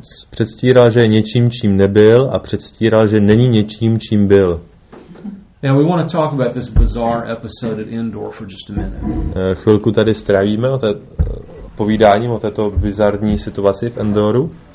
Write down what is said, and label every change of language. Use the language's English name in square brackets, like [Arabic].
[Czech] Předstíral, že je něčím, čím nebyl, a předstíral, že není něčím, čím byl. [English] Now we want to talk about this bizarre episode at Endor for just a minute. [Czech] Chvilku tady strávíme o té povídání o této bizarní situaci v Endoru.